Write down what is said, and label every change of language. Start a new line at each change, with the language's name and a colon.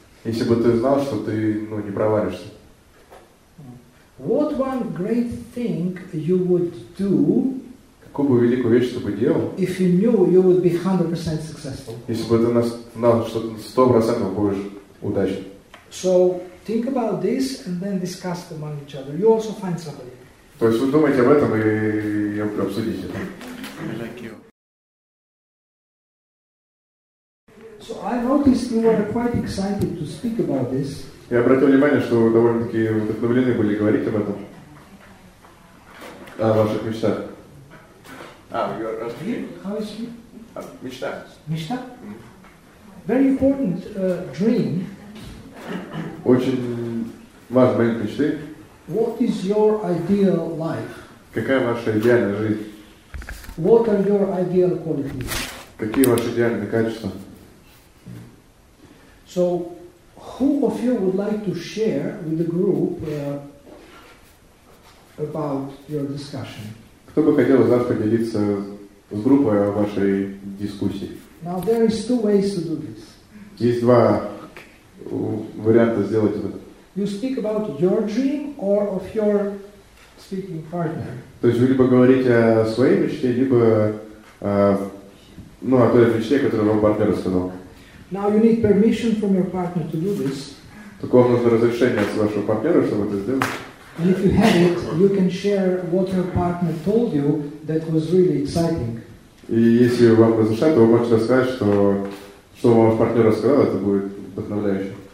Russian: Если бы ты знал, что ты, ну, не проваришься.
English: What one great thing you would do?
Russian: Какую бы великую вещь ты бы делал?
English: If you knew, you would be 100% successful.
Russian: Если бы ты знал, что 100% будешь удачен.
English: So think about this and then discuss among each other. You also find somebody.
Russian: То есть вы думаете об этом и обсудите.
English: So I noticed you were quite excited to speak about this.
Russian: Я обратил внимание, что вы довольно-таки вдохновлены были говорить об этом. О ваших мечтах.
English: How is you?
Russian: Мечта. Мечта?
English: Very important dream.
Russian: Очень важный момент мечты.
English: What is your ideal life?
Russian: Какая ваша идеальная жизнь?
English: What are your ideal qualities?
Russian: Какие ваши идеальные качества?
English: So, who of you would like to share with the group about your discussion?
Russian: Кто бы хотел завтра поделиться с группой о вашей дискуссии?
English: Now there is two ways to do this.
Russian: Есть два варианта сделать это.
English: You speak about your dream or of your speaking partner.
Russian: То есть вы либо говорите о своей мечте, либо о той мечте, которую вам партнер рассказал.
English: Now you need permission from your partner to do this.
Russian: Только вам нужно разрешение от вашего партнера, чтобы это сделать.
English: And if you have it, you can share what your partner told you that was really exciting.
Russian: И если вам разрешат, то вы можете рассказать, что вам ваш партнер рассказал, это будет вдохновляюще.